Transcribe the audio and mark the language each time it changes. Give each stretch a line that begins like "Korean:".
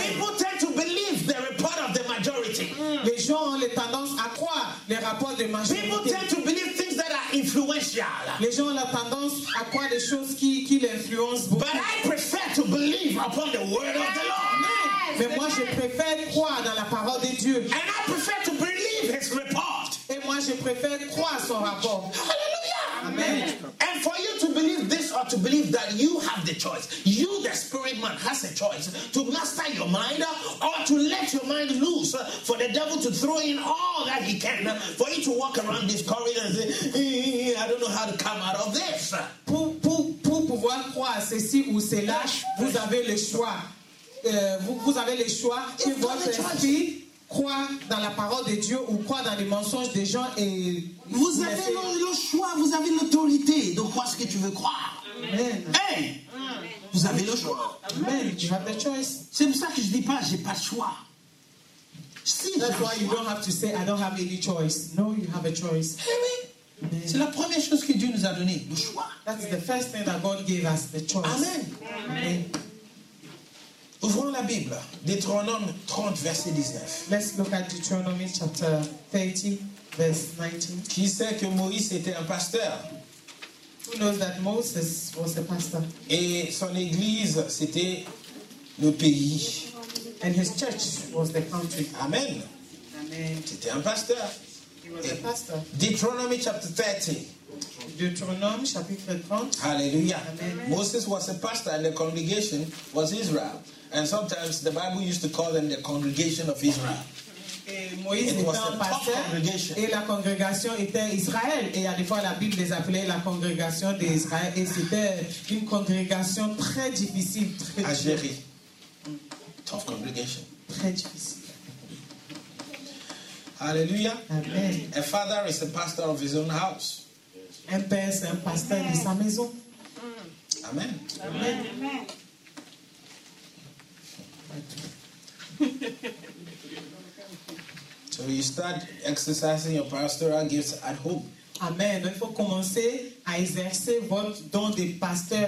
English: People tend to believe the report of the majority.
French: Les gens ont tendance à croire les rapports de majorité.
English: People tend to believe things that are influential.
French: Les gens ont tendance à croire des choses qui l'influencent beaucoup.
English: But I prefer to believe upon the word of the Lord.
French: Mais moi je préfère croire dans la parole de Dieu.
English: And I prefer to believe his report.
French: Et moi je préfère croire son rapport. Amen.
English: And for you to believe this or to believe that, you have the choice. You, the spirit man, has a choice to master your mind or to let your mind loose for the devil to throw in all that he can for you to walk around this corridor and say, I don't know how to come out of this.
French: Pour pouvoir croire ceci ou cela, vous avez le choix. Vous avez le choix que votre esprit croit dans la parole de Dieu ou croit dans les mensonges des gens et vous avez le choix, vous avez l'autorité de croire ce que tu veux croire. Amen. Hey, amen. Vous avez le choix.
English: Amen. You have the choice.
French: C'est pour ça que je dis pas j'ai pas le choix. Si,
English: that's why you
French: choix.
English: Don't have to say I don't have any choice. No, you have a choice. Amen.
French: C'est la première chose que Dieu nous a donné, le choix.
English: That's the first thing that God gave us, the choice. Amen. Amen.
French: Ouvrons la Bible, Deutéronome 30, verset 19.
English: Let's look at Deuteronomy chapter 30, verse 19.
French: Qui sait que Moïse était un pasteur?
English: Who knows that Moses was a pastor?
French: Et son église, c'était le pays.
English: And his church was the country. Amen. Amen.
French: C'était un pasteur.
English: He was a pastor. Deuteronomy chapter 30.
French: Deutéronome chapitre 30. Hallelujah.
English: Moses was a pastor and the congregation was Israel. And sometimes the Bible used to call them the congregation of Israel.
French: Moïse
English: it was
French: un
English: a
French: pasteur,
English: congregation.
French: Et la congrégation était Israël. Et à des fois la Bible les appelait la congrégation d'Israël. Et c'était une congrégation très difficile. Très à gérer. Difficile.
English: Tough congregation.
French: Très difficile. Hallelujah. Amen.
English: A father is a pastor of his own house.
French: Un père c'est un pasteur de sa maison. Amen. Amen. Amen.
English: So you start exercising your pastoral gifts at home. Amen.
French: Il faut commencer à exercer votre don de pasteur.